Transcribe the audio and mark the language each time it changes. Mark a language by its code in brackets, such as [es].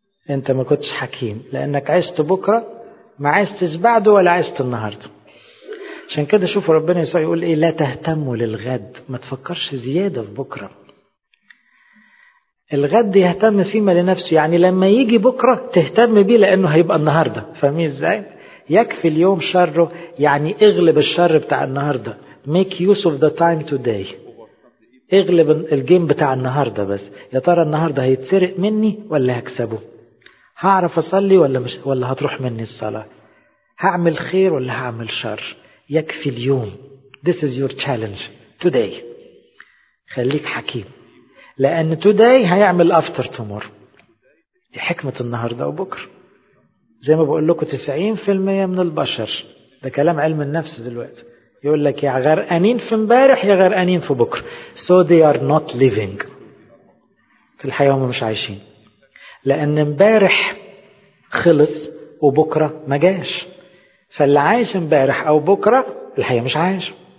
[ar] انت ما كنتش حكيم، لانك عشت بكرة ما عشتش بعده ولا عشت النهاردة. عشان كده شوفوا ربنا يسوع يقول ايه؟ لا تهتموا للغد، ما تفكرش زيادة في بكرة. الغد يهتم فيما لنفسه، يعني لما يجي بكرة تهتم بيه لأنه هيبقى النهاردة. فاهمين ازاي؟ يكفي اليوم شره، يعني اغلب الشر بتاع النهاردة. [en] Make use of the time today. [ar] اغلب الجيم بتاع النهاردة. بس يا ترى النهاردة هيتسرق مني ولا هكسبه؟ هعرف أصلي ولا مش، ولا هتروح مني الصلاة؟ هعمل خير ولا هعمل شر؟ يكفي اليوم. [en] This is your challenge today. [ar] خليك حكيم، لأن today هيعمل [en] after tomorrow. [ar] دي حكمة النهاردة وبكرة. زي ما بقول لكم 90% من البشر، ده كلام علم النفس دلوقتي، يقول لك يا غرقانين في امبارح يا غرقانين في بكر، [en] so they are not living، [ar] في الحياة هم مش عايشين، لأن امبارح خلص وبكرة ما جاش، فاللي عايش امبارح أو بكرة الحياة مش عايش.